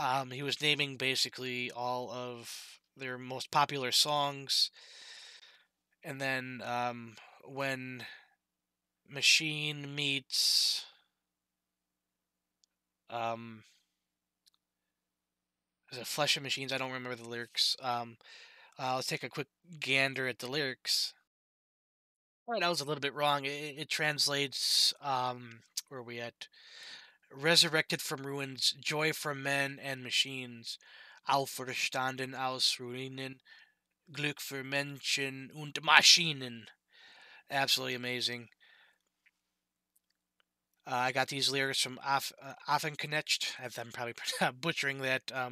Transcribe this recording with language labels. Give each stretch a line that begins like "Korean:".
English: He was naming basically all of their most popular songs, and then when Machine meets is it Flesh and Machines? I don't remember the lyrics. Let's take a quick gander at the lyrics. All right, I was a little bit wrong. It translates, where are we at? Resurrected from ruins, joy from men and machines,
German: auferstanden aus Ruinen, Glück für Menschen und Maschinen.
English: Absolutely amazing. I got these lyrics from Affenknecht. I'm probably butchering that.